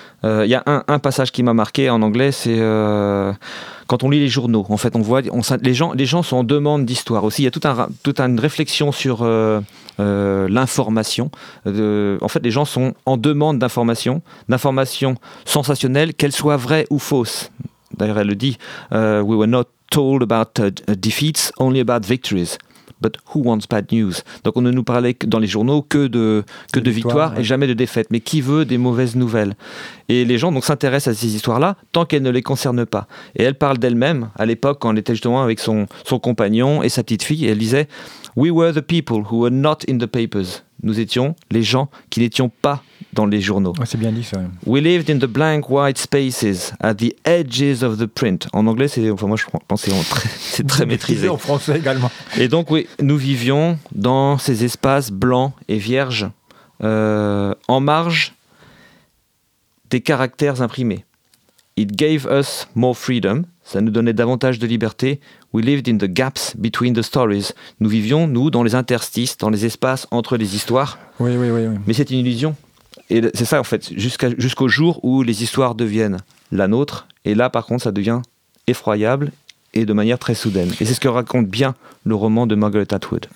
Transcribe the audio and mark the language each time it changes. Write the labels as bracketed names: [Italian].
[French] Il y a un passage qui m'a marqué en anglais, c'est quand on lit les journaux. En fait, les gens sont en demande d'histoire aussi. Il y a toute une réflexion sur l'information. En fait, les gens sont en demande d'informations sensationnelles, qu'elles soient vraies ou fausses. D'ailleurs, elle le dit, [English] « We were not told about defeats, only about victories. » But who wants bad news? [French] Donc on ne nous parlait dans les journaux que de victoires et jamais de défaites. Mais qui veut des mauvaises nouvelles? Et les gens donc s'intéressent à ces histoires-là tant qu'elles ne les concernent pas. Et elle parle d'elle-même à l'époque quand elle était justement avec son compagnon et sa petite fille. Elle disait « [English] We were the people who were not in the papers. [French] » Nous étions les gens qui n'étions pas dans les journaux. Ouais, c'est bien dit ça. Ouais. [English] We lived in the blank white spaces at the edges of the print. [French] En anglais, c'est très maîtrisé. En français également. Et donc oui, nous vivions dans ces espaces blancs et vierges, en marge des caractères imprimés. [English] It gave us more freedom. [French] Ça nous donnait davantage de liberté. [English] We lived in the gaps between the stories. [French] Nous vivions, nous, dans les interstices, dans les espaces entre les histoires. Oui. Mais c'est une illusion. Et c'est ça, en fait, jusqu'au jour où les histoires deviennent la nôtre. Et là, par contre, ça devient effroyable et de manière très soudaine. Et c'est ce que raconte bien le roman de Margaret Atwood.